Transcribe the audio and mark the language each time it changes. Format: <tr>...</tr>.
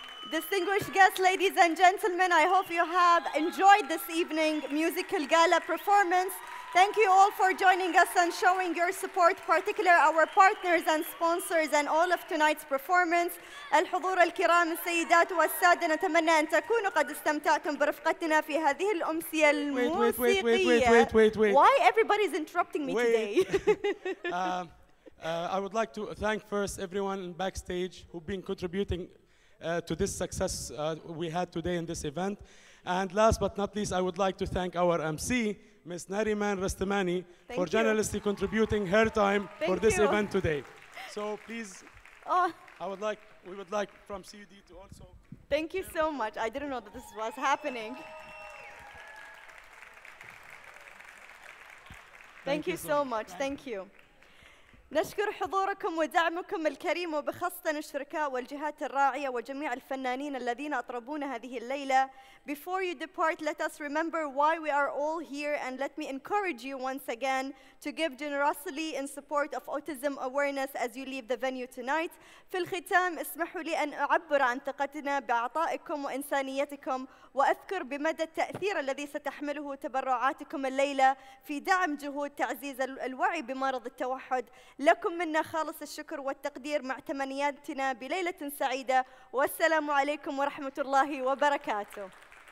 <en>Distinguished guests, ladies and gentlemen, I hope you have enjoyed this evening musical gala performance. Thank you all for joining us and showing your support, particularly our partners and sponsors and all of tonight's performance.</en> <ar>الحضور الكرام السيدات والسادة نتمنى أن تكونوا قد استمتعتم برفقتنا في هذه الأمسية الموسيقية.</ar> <en>Wait. Why everybody is interrupting me wait. Today? I would like to thank first everyone backstage who've been contributing to this success we had today in this event. And last but not least, I would like to thank our MC, Ms. Nariman Rastamani, for generously contributing her time for this event today. So please, we would like from CUD to also. Thank you so much. I didn't know that this was happening. Thank you so much. Thank you.</en> <ar>نشكر حضوركم ودعمكم الكريم وبخاصة الشركاء والجهات الراعية وجميع الفنانين الذين أطربون هذه الليلة.</ar> <en>Before you depart, let us remember why we are all here, and let me encourage you once again to give generously in support of autism awareness as you leave the venue tonight.</en> <ar>في الختام اسمحوا لي أن أعبر عن ثقتنا بعطائكم وإنسانيتكم وأذكر بمدى التأثير الذي ستحمله تبرعاتكم الليلة في دعم جهود تعزيز الوعي بمرض التوحد. لكم منا خالص الشكر والتقدير مع تمنياتنا بليلة سعيدة والسلام عليكم ورحمة الله وبركاته.</ar>